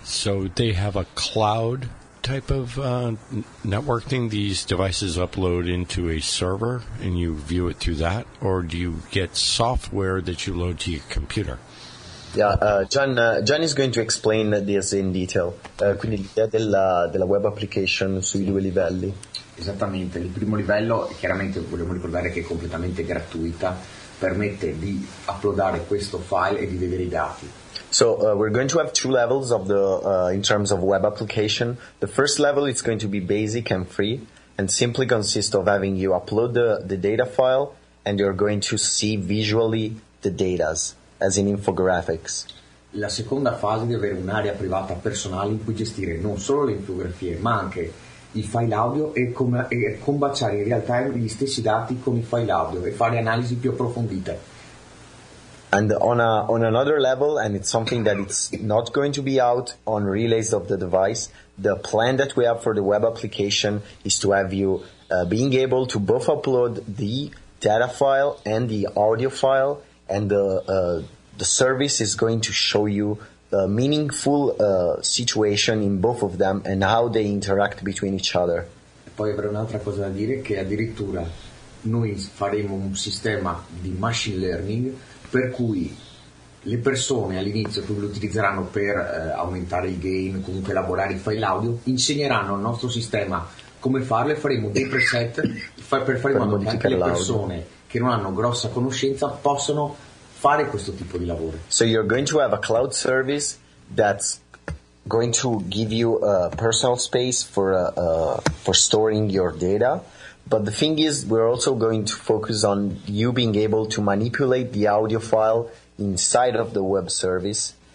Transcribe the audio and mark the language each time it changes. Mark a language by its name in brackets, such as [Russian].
[English] So they have a cloud type of network thing? These devices upload into a server and you view it through that? Or do you get software that you load to your computer? Yeah, John is going to explain this in detail. [Italian] Quindi l'idea della web application sui due livelli. Esattamente. Il primo livello, chiaramente vogliamo ricordare che è completamente gratuita. Permette di uploadare questo file e di vedere I dati. [English] So we're going to have two levels of the in terms of web application. The first level is going to be basic and free, and simply consists of having you upload the data file, and you're going to see visually the data as in infographics. [Italian] La seconda fase deve avere un'area privata personale in cui gestire non solo le infografie, ma anche I file audio e combaciare in real time gli stessi dati con I file audio e fare analisi più approfondite. [English] And on another level, and it's something that it's not going to be out on relays of the device, the plan that we have for the web application is to have you being able to both upload the data file and the audio file, and the service is going to show you a meaningful situation in both of them and how they interact between each other. [Italian] Poi avrò un'altra cosa da dire, che addirittura noi faremo un sistema di machine learning per cui le persone all'inizio che lo utilizzeranno per aumentare il gain, comunque elaborare I file audio, insegneranno al nostro sistema come farlo e faremo dei preset per fare in modo che anche le persone che non hanno grossa conoscenza possono fare questo tipo di lavoro. [English] So you're going to have a cloud service that's going to give you a personal space for storing your data. But the thing is, we're also going to focus on you being able to manipulate the audio file inside of the web service.